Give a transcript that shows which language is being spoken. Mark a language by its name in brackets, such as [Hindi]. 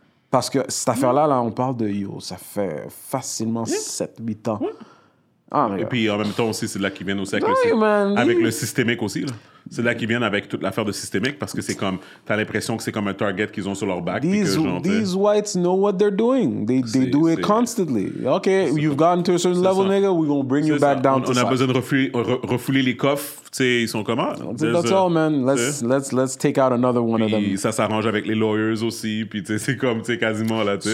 [French] Parce que cette affaire-là, là, on parle de yo, ça fait facilement 7-8 ans. Ah, et puis en même temps aussi, c'est de là qu'ils viennent au sac aussi. Avec le systémique aussi. Là. C'est là qu'ils viennent avec toute l'affaire de systémique parce que c'est comme, t'as l'impression que c'est comme un target qu'ils ont sur leur back. [English] These whites know what they're doing. They do it constantly. OK, you've gotten to a certain level, nigga, we're going to bring you back down to size. [French] On a besoin de refouler les coffres. Tu sais, ils sont comment? [English] That's all, man. Let's take out another one of them. [French] Ça s'arrange avec les lawyers aussi. Puis, tu sais, c'est comme, tu sais, quasiment là, tu sais.